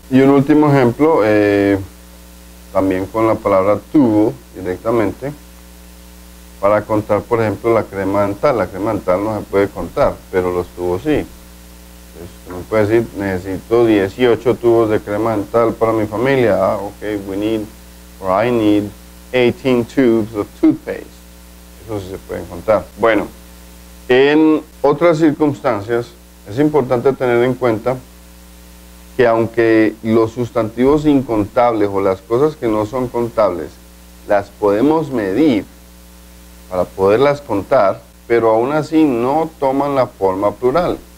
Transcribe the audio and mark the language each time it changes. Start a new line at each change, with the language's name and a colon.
Spanish: Y un último ejemplo, también con la palabra tubo directamente, para contar, por ejemplo, la crema dental. La crema dental no se puede contar, pero los tubos sí. Uno puede decir, necesito 18 tubos de crema dental para mi familia.
English: Ah, ok, we need, or I need 18 tubes of toothpaste.
Spanish: Eso sí se puede contar. Bueno, en otras circunstancias, es importante tener en cuenta que aunque los sustantivos incontables o las cosas que no son contables, las podemos medir para poderlas contar, pero aún así no toman la forma plural.